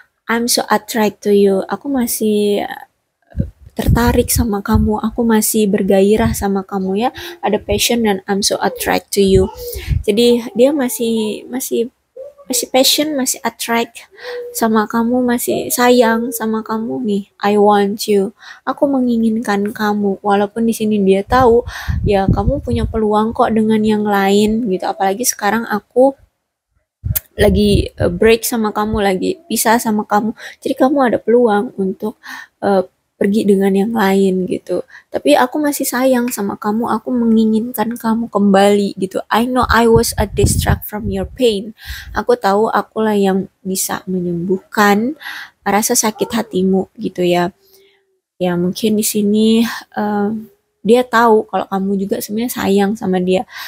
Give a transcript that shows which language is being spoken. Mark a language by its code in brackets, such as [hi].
[en] I'm so attracted to you. [id] Aku masih tertarik sama kamu. Aku masih bergairah sama kamu ya. Ada passion dan [en] I'm so attracted to you. [id] Jadi dia masih passion, masih attract sama kamu, masih sayang sama kamu nih. [en] I want you. [id] Aku menginginkan kamu. Walaupun di sini dia tahu ya kamu punya peluang kok dengan yang lain gitu. Apalagi sekarang aku lagi break sama kamu, lagi pisah sama kamu. Jadi kamu ada peluang untuk pergi dengan yang lain gitu. Tapi aku masih sayang sama kamu. Aku menginginkan kamu kembali gitu. [en] I know I was a distract from your pain. [id] Aku tahu akulah yang bisa menyembuhkan rasa sakit hatimu gitu ya. Ya mungkin di sini dia tahu kalau kamu juga sebenarnya sayang sama dia.